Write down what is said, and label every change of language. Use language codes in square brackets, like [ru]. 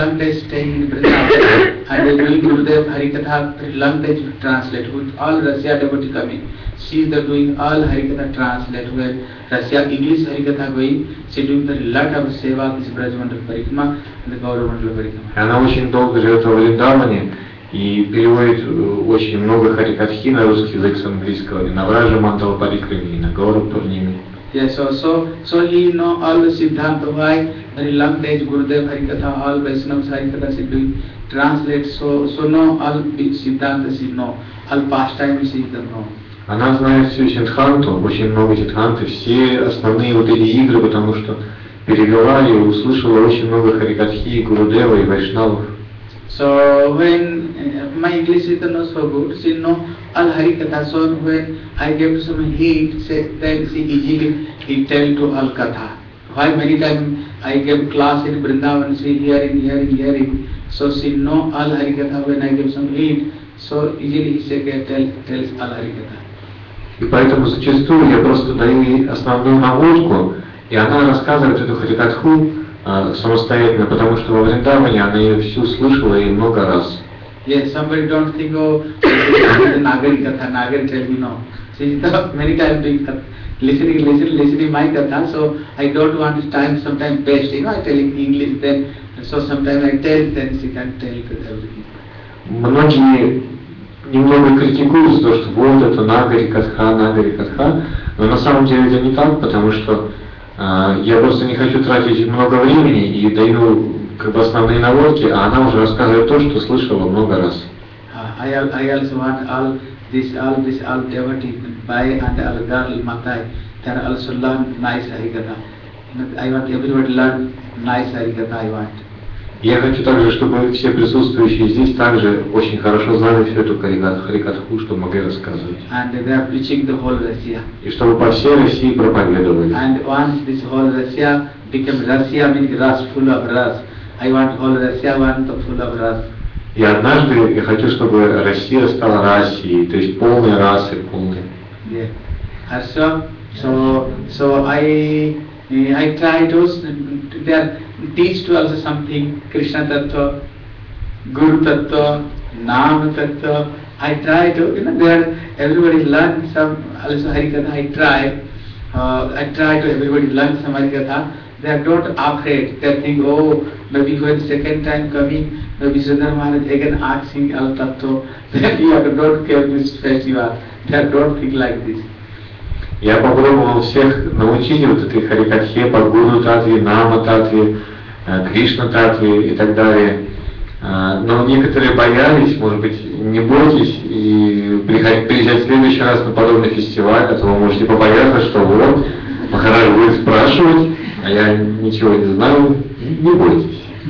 [en] And I will give them Harikatha language translate with all Russia devotee coming. She is doing all Harikatha translate well. Russia English Harikatha going. She doing the lot of seva, this Brajmandal Parikrama and the Gauravandal Parikrama. [ru] Она очень долго живет во Вриндаване и переводит очень много Харикатхи на русский язык с английского и на Брajmandal Parikrama и на Гаурапурними. [en] Yes, so he know all the Siddhanta, why very long days Gurudev Harikatha, all Vaishnavas Harikatha she doing, translate, so know all Siddhanta she know, all pastime she don't know. [ru] Она знает всю Сиддханту, очень много Сиддханты, все основные вот эти игры, потому что перевела и услышала очень много Харикатхи, Гурудева и Вайшнавов. [en] So when my English is not so good, she know all Harikatha, so when I gave some heat, then she easily he tell to all Katha. Why many times I gave class in Vrindavan, she hearing. So she know all Harikatha when I gave some heat, so easily she can tell all Harikatha. [ru] И поэтому зачастую я просто даю ей основную наводку, и она рассказывает эту Харикатху самостоятельно, потому что во Вриндаване она ее всю слышала и много раз. [en] Yes, somebody don't think of Nagari Katha, Nagari tell me no. She's the many times doing listening my Katha, so I don't want to time sometimes best, you know, I tell in English then, so sometimes I tell, then she can tell it with everything. [ru] Многие немного критикуют за то, что вот это Нагари Катха, Нагари Катха, но на самом деле это не так, потому что я просто не хочу тратить много времени и даю как бы основные наводки, а она уже рассказывает то, что слышала много раз. [en] I also want all devotees, bhai and all girl, matai, they also learn nice Harikatha. I want everybody to learn nice Harikatha, I want. [ru] Я хочу также, чтобы все присутствующие здесь также очень хорошо знали всю эту Харикатху, что могли рассказывать. [en] And they are preaching the whole Russia. [ru] И чтобы по всей России проповедовали. [en] And once this whole Russia became Russia, meaning Russ full of Russ. I want all Russia one to full of Russ. [ru] И однажды я хочу, чтобы Россия стала Россией, то есть полной расы, полной. [en] Yeah. Also, so I try to teach to also something, Krishna Tattva, Guru Tattva, Nama Tattva. I try to, you know, there everybody learn some also Harikatha. I try to everybody learn some Harikatha. They are not afraid. They think, oh, maybe when second time coming, maybe Sundar Maharaj again asking all Tattva. Then you have not kept this festival. They are not think like this. [ru] Я попробовал всех научить вот этой Харикатхе по Гуру Татве, Нама Татве, Кришна Татве и так далее. Но некоторые боялись, может быть, не бойтесь, и приезжать в следующий раз на подобный фестиваль, а то вы можете побояться, что вот, Махарадж будет спрашивать, а я ничего не знаю, не бойтесь.